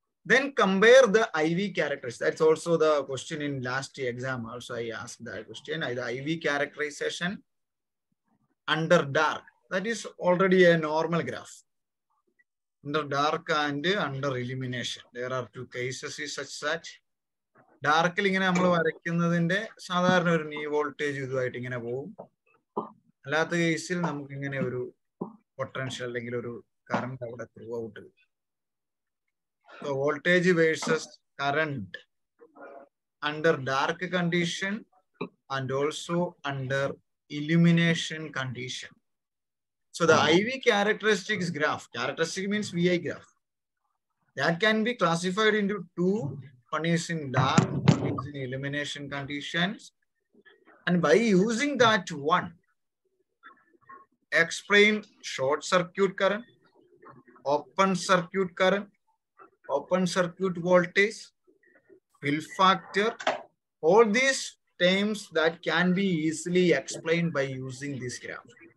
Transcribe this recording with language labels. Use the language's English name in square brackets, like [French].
[English] Then compare the IV characteristics. That's also the question in last exam. Also, I asked that question. The IV characterization under dark. That is already a normal graph. Under dark and under illumination. There are two cases such. [Malayalam] ഡാർക്കിൽ ഇങ്ങനെ നമ്മൾ വരയ്ക്കുന്നതിന്റെ സാധാരണ ഒരു knee voltage ഇതുമായിട്ട് ഇങ്ങനെ പോകും. അല്ലാത്ത കേസിൽ നമുക്ക് ഇങ്ങനെ ഒരു പൊട്ടൻഷ്യൽ അല്ലെങ്കിൽ ഒരു കറണ്ട് അവിടെ [English] Throughout. Voltage versus current under dark condition and also under illumination condition. So the I V characteristics graph, characteristic means V I graph, that can be classified into two. One is in dark, one is in illumination conditions. And by using that one, explain short circuit current, open circuit current, open circuit voltage, fill factor, all these terms that can be easily explained by using this graph.